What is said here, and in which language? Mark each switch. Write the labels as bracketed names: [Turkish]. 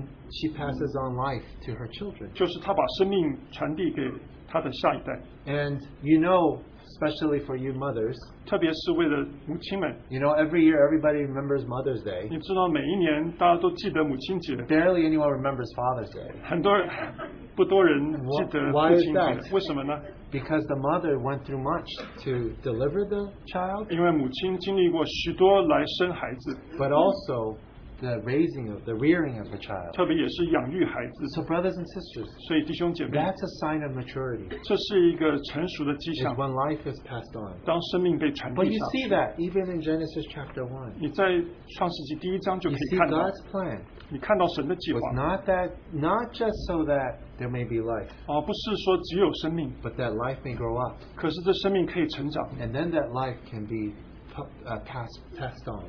[English] Is when she passes on life to her children. [Chinese] 就是她把生命传递给她的下一代。 [English] And you know, especially for you mothers, [Chinese] 特别是为了母亲们, [English] you know, every year everybody remembers Mother's Day. [Chinese] 你知道每一年大家都记得母亲节, [English] barely anyone remembers Father's Day. [Chinese] 很多人不多人记得父亲节。为什么呢? [English] Because the mother went through much to deliver the child, [Chinese] 因为母亲经历过许多来生孩子, [English] but also the raising of, the rearing of the child. [Chinese] 特别也是养育孩子。 [English] So brothers and sisters, [Chinese] 所以弟兄姐妹, [English] that's a sign of maturity. [Chinese] 这是一个成熟的迹象, [English] is when life is passed on. [Chinese] 当生命被传递上去。 [English] But you see that even in Genesis chapter 1. [Chinese] 你在创世纪第一章就可以看到, [English] you see God's plan. [Chinese] 你看到神的计划, [English] was not that, not just so that there may be life, [Chinese] 啊, 不是说只有生命, [English] but that life may grow up. [Chinese] 可是这生命可以成长, [English] and then that life can be passed on.